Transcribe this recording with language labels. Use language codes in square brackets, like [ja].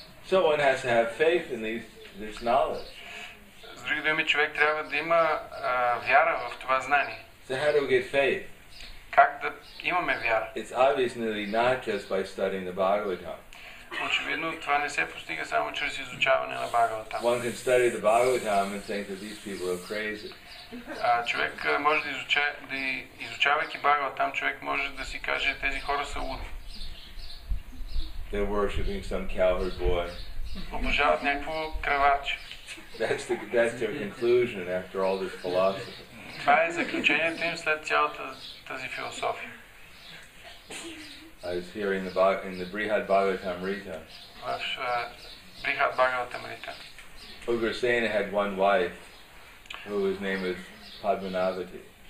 [en] So one has to have faith in this knowledge. [bg] С други думи, човек трябва да има вяра в това знание. [en] So how do we get faith? [bg] Как да имаме вяра? [en] It's obviously not just by studying the Bhagavatam. [bg] Очевидно, това не се постига само чрез изучаване на Бхагаватам. [en] One can study the Bhagavatam and think that these people are crazy. [bg] Човек може да изучавайки Бхагаватам, човек може да си каже, тези хора са луди. [en] They're worshipping some cowherd boy. [bg] Обожават някакво краварче. [en] That's their conclusion after all this philosophy. [bg] Това е заключението им след цялата тази философия. [en] I was hearing in the Brihad Bhagavatamrita. Brihad Bhagavatamrita. Ugrasena had one wife whose name was Padmanavati.